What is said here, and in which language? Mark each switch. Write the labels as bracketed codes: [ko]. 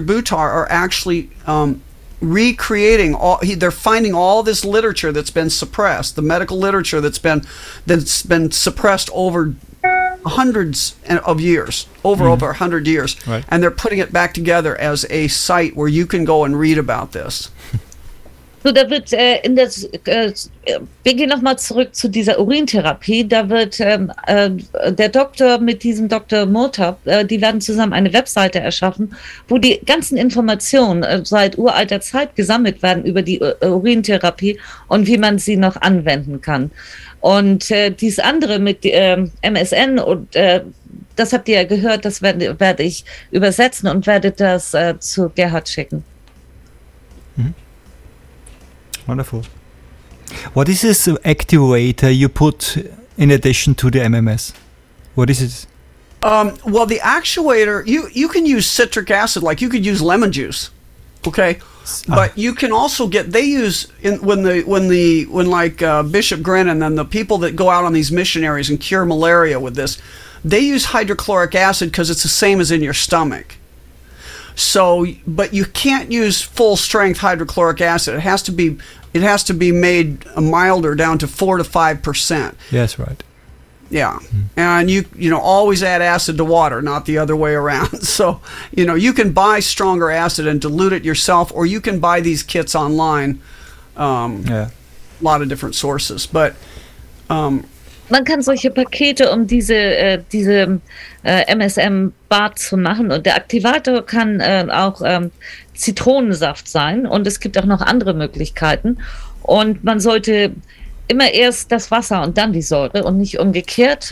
[en] Buttar are actually recreating, they're finding all this literature that's been suppressed, the medical literature that's been suppressed over hundreds of years, over 100 years. Right. And they're putting it back together as a site where you can go and read about this. [de] So, da wird in das, wir gehen nochmal zurück zu dieser Urintherapie. Da wird der Doktor mit diesem Dr. Murtab, die werden zusammen eine Webseite erschaffen, wo die ganzen Informationen seit uralter Zeit gesammelt werden über die Urintherapie und wie man sie noch anwenden kann. Und dieses andere mit MSN und das habt ihr ja gehört, das werde ich übersetzen und werde das zu Gerhard schicken. [en] Wonderful. What is this activator you put in addition to the MMS? What is it? Well, the actuator, you can use citric acid, like you could use lemon juice, okay? But you can also get, they use, when Bishop Grin and then the people that go out on these missionaries and cure malaria with this, they use hydrochloric acid because it's the same as in your stomach. So, but you can't use full strength hydrochloric acid. It has to be made milder down to 4-5%. Yes, right. Yeah. Mm-hmm. And you always add acid to water, not the other way around. So, you know, you can buy stronger acid and dilute it yourself, or you can buy these kits online. A lot of different sources, but [de] man kann solche Pakete, um diese MSM-Bad zu machen. Und der Aktivator kann auch Zitronensaft sein. Und es gibt auch noch andere Möglichkeiten. Und man sollte immer erst das Wasser und dann die Säure und nicht umgekehrt.